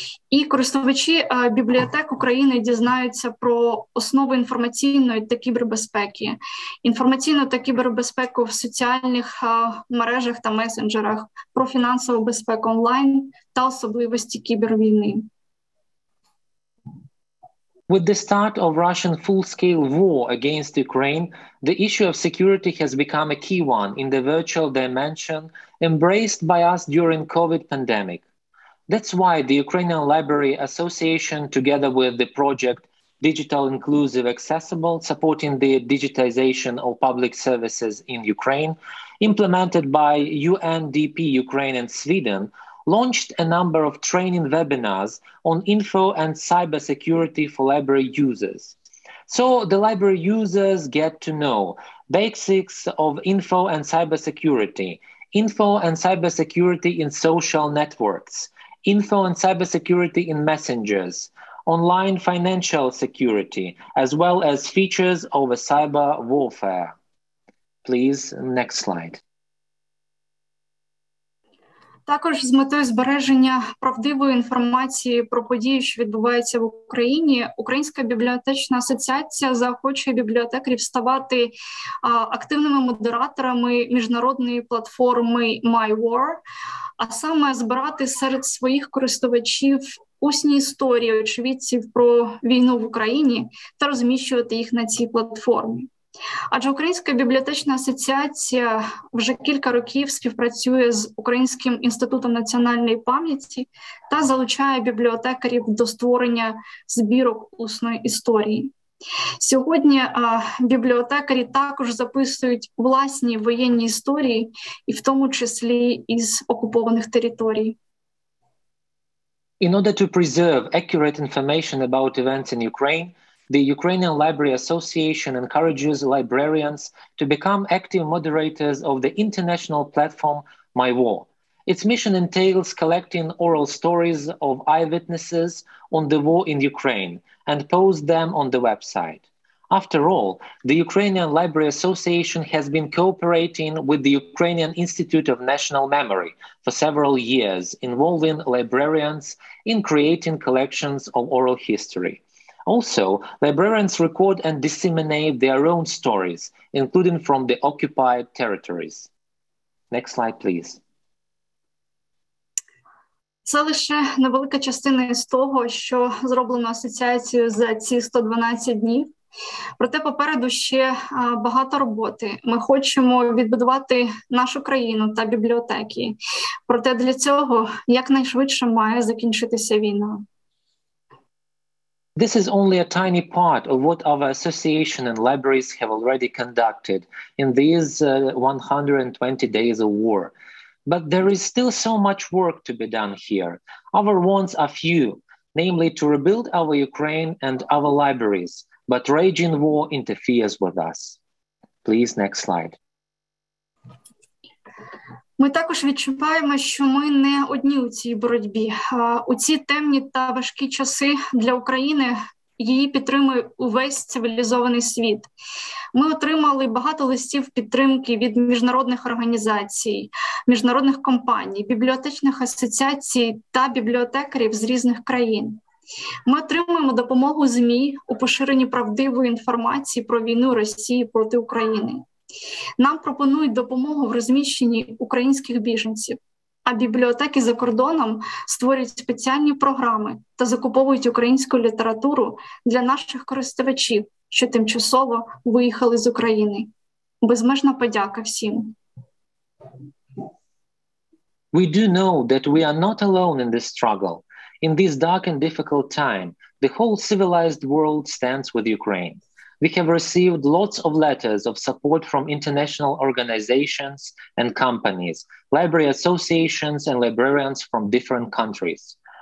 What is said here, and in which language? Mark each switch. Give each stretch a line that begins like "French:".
Ukrainian: І користувачі бібліотек України дізнаються про основи інформаційної та кібербезпеки, інформаційну та кібербезпеку в соціальних мережах та месенджерах, про фінансову безпеку онлайн та особливості кібервійни.
English: With the start of Russian full-scale war against Ukraine, the issue of security has become a key one in the virtual dimension embraced by us during COVID pandemic. That's why the Ukrainian Library Association, together with the project Digital Inclusive Accessible, supporting the digitization of public services in Ukraine, implemented by UNDP Ukraine and Sweden, launched a number of training webinars on info and cybersecurity for library users. So the library users get to know basics of info and cybersecurity, info and cybersecurity in social networks, info and cybersecurity in messengers, online financial security, as well as features of a cyber warfare. Please, next slide.
Ukrainian: Також з метою збереження правдивої інформації про події, що відбуваються в Україні, Українська бібліотечна асоціація заохочує бібліотекарів ставати активними модераторами міжнародної платформи MyWar, а саме збирати серед своїх користувачів усні історії очевидців про війну в Україні та розміщувати їх на цій платформі. Адже Українська бібліотечна асоціація вже кілька років співпрацює з Українським інститутом національної пам'яті та залучає бібліотекарів до створення збірок усної історії. Сьогодні бібліотекарі також записують власні воєнні історії, і в тому числі із окупованих територій.
English: In order to preserve accurate information about events in Ukraine, the Ukrainian Library Association encourages librarians to become active moderators of the international platform My War. Its mission entails collecting oral stories of eyewitnesses on the war in Ukraine and post them on the website. After all, the Ukrainian Library Association has been cooperating with the Ukrainian Institute of National Memory for several years, involving librarians in creating collections of oral history. Also, librarians record and disseminate their own stories, including from the occupied territories. Next slide, please.
Ukrainian: Це лише невелика частина з того, що зроблено асоціацією за ці 112 днів. Проте попереду ще багато роботи. Ми хочемо відбудувати нашу країну та бібліотеки. Проте для цього якнайшвидше має закінчитися війна.
English: This is only a tiny part of what our association and libraries have already conducted in these 120 days of war. But there is still so much work to be done here. Our wants are few, namely to rebuild our Ukraine and our libraries, but raging war interferes with us. Please, next slide.
Ukrainian: Ми також відчуваємо, що ми не одні у цій боротьбі. У ці темні та важкі часи для України її підтримує увесь цивілізований світ. Ми отримали багато листів підтримки від міжнародних організацій, міжнародних компаній, бібліотечних асоціацій та бібліотекарів з різних країн. Ми отримуємо допомогу ЗМІ у поширенні правдивої інформації про війну Росії проти України. Нам пропонують допомогу в розміщенні українських біженців, а бібліотеки за кордоном створюють спеціальні програми та закуповують українську літературу для наших користувачів, що тимчасово виїхали з України. Безмежна подяка всім.
English: We do know that we are not alone in this struggle. In this dark and difficult time, the whole civilized world stands with Ukraine. We have received lots of letters of support from international organizations and companies, library associations and librarians from different countries.